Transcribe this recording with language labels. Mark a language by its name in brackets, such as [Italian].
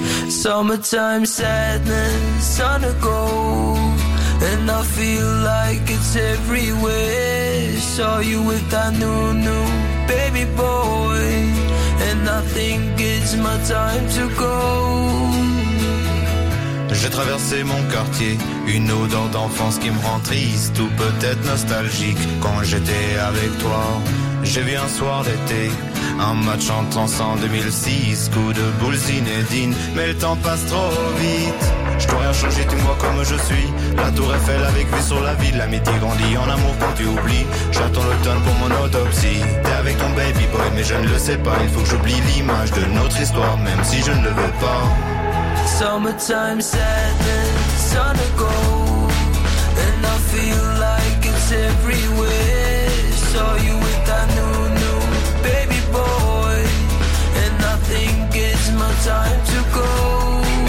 [English] Summertime sadness on a go, and I feel like it's everywhere. Saw you with that new baby boy, and I think it's my time to go. [French] J'ai traversé mon quartier, une odeur d'enfance qui me rend triste ou peut-être nostalgique. Quand j'étais avec toi, j'ai vu un soir d'été, un match en transcendant 2006, coup de boule Zinedine. Mais le temps passe trop vite. Je peux rien changer, tu me vois comme je suis. La tour Eiffel avec vue sur la ville. L'amitié grandit en amour quand tu oublies. J'attends l'automne pour mon autopsie. T'es avec ton baby boy, mais je ne le sais pas. Il faut que j'oublie l'image de notre histoire, même si je ne le veux pas. [English] Summertime sadness on the go, and I feel like it's everywhere. Saw you with that new baby boy, and I think it's my time to go.